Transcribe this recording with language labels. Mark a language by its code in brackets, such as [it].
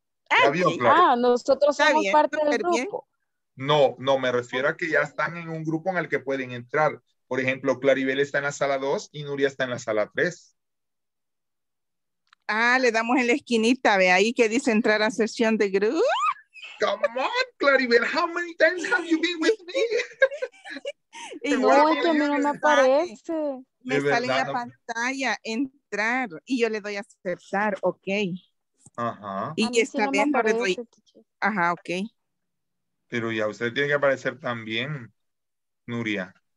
[es] Ah, ¿ya vio, claro? Nosotros somos bien, parte del grupo. Bien. No, me refiero a que ya están en un grupo en el que pueden entrar. Por ejemplo, Claribel está en la sala 2 y Nuria está en la sala 3. Ah, le damos en la esquinita, ve ahí que dice entrar a sesión de grupo. [en] Come on, Claribel, how many times have you been with me? [es] Y no, es que a mí no me aparece. Me sale en la pantalla, entrar, y yo le doy a aceptar, ok. Ajá. Y está bien, le doy. Ajá, ok. Pero ya, usted tiene que aparecer también, Nuria.